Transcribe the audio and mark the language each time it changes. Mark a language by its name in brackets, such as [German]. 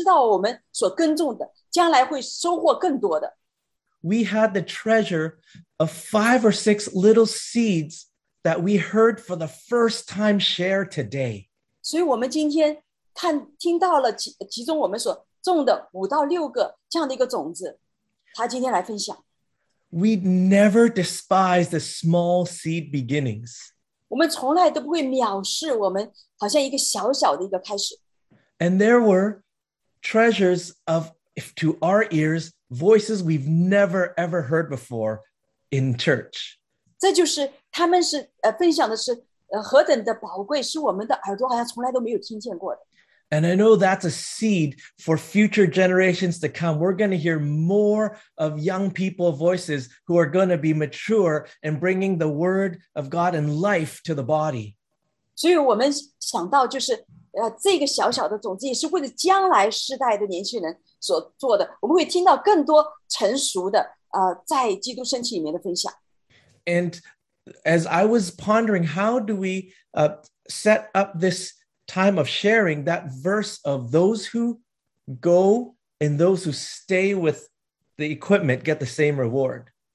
[Chinese] 所以就是甚至在我们的家庭的里面有些我们没有孩子的但是孩子参与的但是我们知道我们所耕种的将来会收获更多的。 [English] We had the treasure of five or six little seeds that we heard for the first time share today. [Chinese] 所以我们今天听到了其中我们所种的五到六个这样的一个种子，他今天来分享。We [English] never despise the small seed beginnings. [Chinese] 我们从来都不会藐视我们好像一个小小的一个开始。And [English] there were treasures of, if to our ears, voices we've never ever heard before in church. [Chinese] 这就是他们是分享的是 何等的宝贵是我们的耳朵好像从来都没有听见过的。 [English] And I know that's a seed for future generations to come. We're going to hear more of young people voices who are going to be mature and bringing the word of God and life to the body. [Chinese] 所以我们想到就是 这个小小的种子也是为了将来世代的年轻人所做的。我们会听到更多成熟的 在基督身体里面的分享。 [English] And as I was pondering, how do we set up this time of sharing, that verse of those who go and those who stay with the equipment get the same reward.